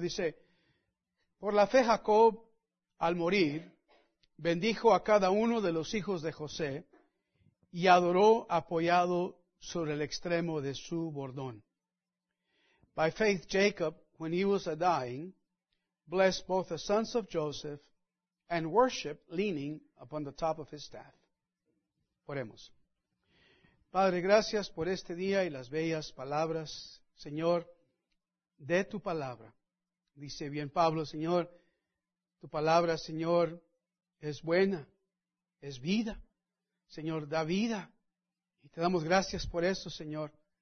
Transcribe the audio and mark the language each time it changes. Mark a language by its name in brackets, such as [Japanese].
[Spanish] Dice, por la fe Jacob, al morir, bendijo a cada uno de los hijos de José y adoró apoyado sobre el extremo de su bordón. [English] By faith Jacob, when he was a dying, blessed both the sons of Joseph and worshiped leaning upon the top of his staff. [Spanish] Oremos. Padre, gracias por este día y las bellas palabras, Señor, de tu palabra. Dice bien Pablo, Señor, tu palabra, Señor, es buena, es vida. Señor, da vida. Y te damos gracias por eso, Señor.